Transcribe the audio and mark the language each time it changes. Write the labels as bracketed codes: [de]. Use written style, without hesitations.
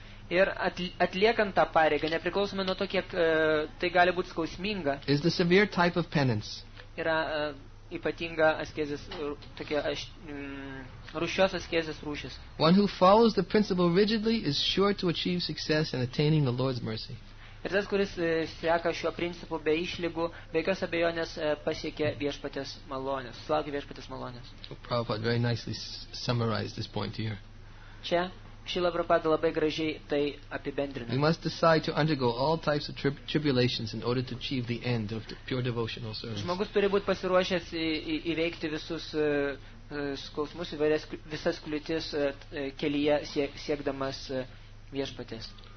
[lt] Ir atliekant tą pareigą, nepriklausomai nuo to, kiek tai gali būti skausminga. [en] Is the severe type of penance. [lt] Yra ypatinga askezės tokia rūšios askezės rūšis. [en] One who follows the principle rigidly is sure to achieve success in attaining the Lord's mercy. [lt] Ir tas, kuris seka šiuo principu be išlygų, be jokios abejonės pasiekė viešpatės malonės, sulaukė viešpatės malonės. [en] Prabhupada very nicely summarized this point here. [lt] Čia Srila Prabhupada labai gražiai tai apibendrina. [en] We must decide to undergo all types of tribulations in order to achieve the end of the pure devotional service. [lt] Žmogus turi būti pasiruošęs įveikti visus skausmus, visas kliūtis kelyje siekdamas viešpaties.